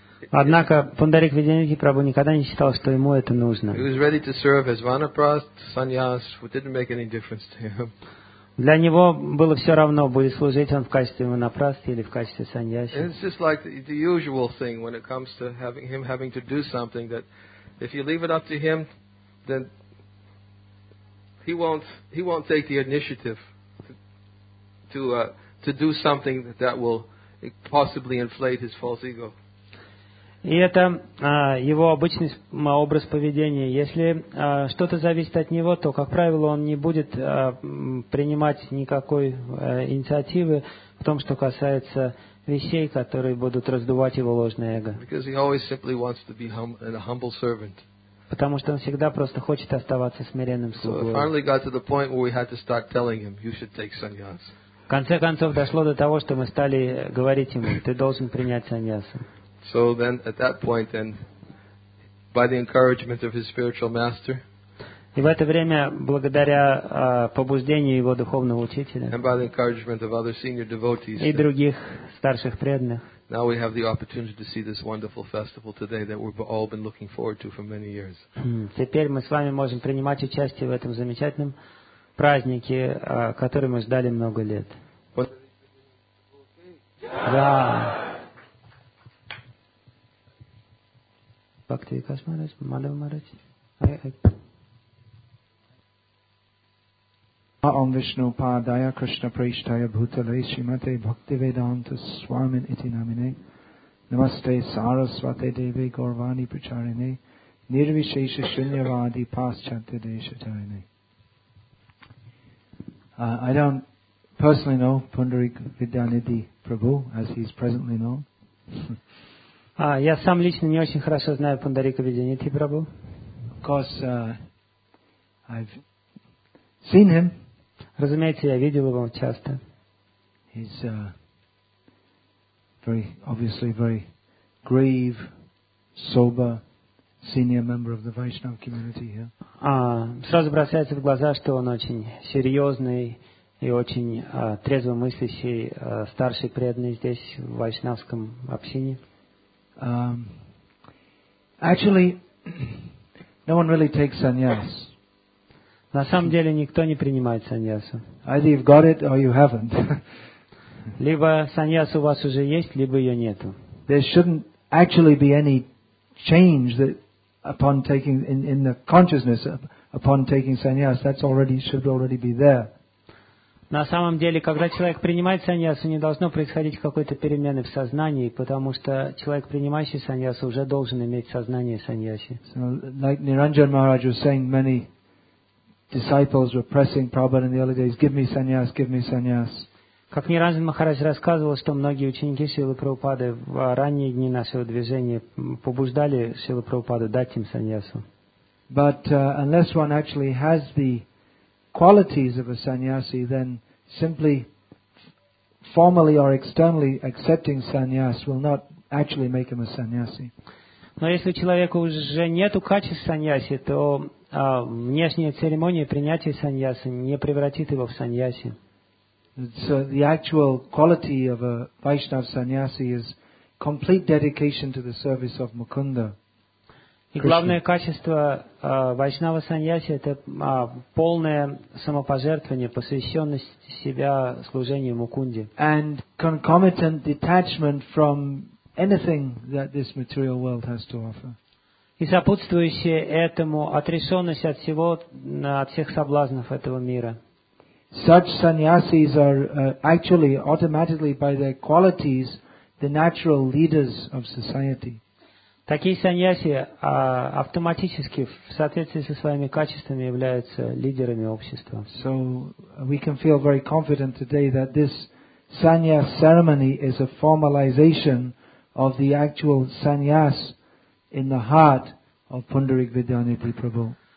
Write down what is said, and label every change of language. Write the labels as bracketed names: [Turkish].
[Russian] Однако Пундарик Видьянидхи Прабху никогда не считал, что ему это нужно. [English] He was ready to serve as vanaprast, sannyas, it didn't make any difference to him. [Russian] Для него было все равно, будет служить он в качестве ванапрасты или в качестве саньяси. [English] It's just like the usual thing when it comes to having him having to do something that if you leave it up to him, then he won't take the initiative to do something that will possibly inflate his false ego. [Russian] И это его обычный образ поведения. Если что-то зависит от него, то, как правило, он не будет принимать никакой инициативы в том, что касается вещей, которые будут раздувать его ложное эго. [English] Because he always simply wants to be a humble servant. [Russian] Потому что он всегда просто хочет оставаться смиренным слугой. [English] So we finally got to the point where we had to start telling him, you should take sannyas. [Russian] В конце концов, дошло до того, что мы стали говорить ему, ты должен принять саньясу. [English] So then, at that point, then, by the encouragement of his spiritual master, [Russian] и в это время, благодаря побуждению его духовного учителя, [English] and by the encouragement of other senior devotees, [Russian] и других старших преданных, [English] now we have the opportunity to see this wonderful festival today that we've all been looking forward to for many years. [Russian] Теперь мы с вами можем принимать участие в этом замечательном празднике, который мы ждали много лет. Да. [English] Bhakti Vikas Maharaj, Madhav Maharaj. [Sanskrit] Om Vishnu Padaya Krishna Prishtaya Bhutale Shrimate Bhakti Vedanta Swamin Iti Namine Namaste Saraswate Devi Gorvani Pracharine Nirvishesha Shunyavadi Paschate Deshatarine. [English] I don't personally know Pundarik Vidyanidhi Prabhu as he's presently known. [Russian] Я сам лично не очень хорошо знаю Пундарика Видьянидхи Прабху. [English] Of course, I've seen him. [Russian] Разумеется, я видел его часто. [English] He's very obviously very grave, sober, senior member of the Vaishnava community here. [Russian] Сразу бросается в глаза, что он очень серьезный и очень трезвомыслящий старший преданный здесь в вайшнавском общине. [English] Actually, no one really takes sannyas. [Russian] На самом деле никто не принимает саньясу. [English] Either you've got it or you haven't. [Russian] Либо саньяс у вас уже есть, либо ее нету. [English] There shouldn't actually be any change that upon taking in the consciousness upon taking sannyas. That's already should already be there. [Russian] На самом деле, когда человек принимает саньясу, не должно происходить какой-то перемены в сознании, потому что человек, принимающий саньясу, уже должен иметь сознание саньяси. [English] So, like Niranjan Maharaj was saying, many disciples were pressing Prabhupada in the early days, give me sannyas, give me sannyas. [Russian] Как Ниранджан Махарадж рассказывал, что многие ученики Шрилы Прабхупады в ранние дни нашего движения побуждали Шрилу Прабхупаду дать им саньясу. [English] But unless one actually has the qualities of a sannyasi, then simply formally or externally accepting sannyas will not actually make him a sannyasi. [Russian] Но если у человека уже нету качеств сannyasi, то внешняя церемония принятия sannyasi не превратит его в sannyasi. [English] So the actual quality of a Vaishnava sannyasi is complete dedication to the service of Mukunda. [Russian] И главное качество вайшнава саньяси – это полное самопожертвование, посвященность себя служению Мукунде. [English] And concomitant detachment from anything that this material world has to offer. [Russian] И сопутствующее этому отрешенность от всего, от всех соблазнов этого мира. [English] Such sannyasis are actually automatically by their qualities the natural leaders of society. [Russian] Такие саньяси автоматически в соответствии со своими качествами являются лидерами общества. [English] So we can feel very confident today that this sannyas ceremony is a formalization of the actual sannyas in the heart of Pundarik Vidyanidhi Prabhu.